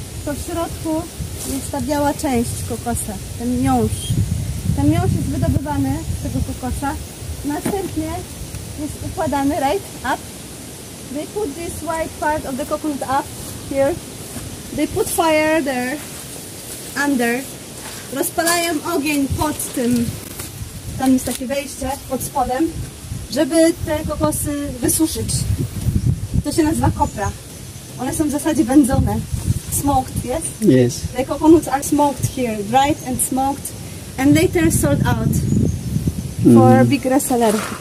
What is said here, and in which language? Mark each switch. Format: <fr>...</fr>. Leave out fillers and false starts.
<pl>To w środku jest ta biała część kokosa, ten miąższ. Ten miąższ jest wydobywany z tego kokosa. Następnie jest układany,</pl> <en>right? Up. They put this white part of the coconut up here. They put fire there, under.</en> <pl>Rozpalają ogień pod tym. Tam jest takie wejście pod spodem, żeby te kokosy wysuszyć. To się nazywa kopra. One są w zasadzie wędzone.</pl> <en>Smoked, yes? Yes. The coconuts are smoked here, dried and smoked, and later sold out for a big reseller.</en>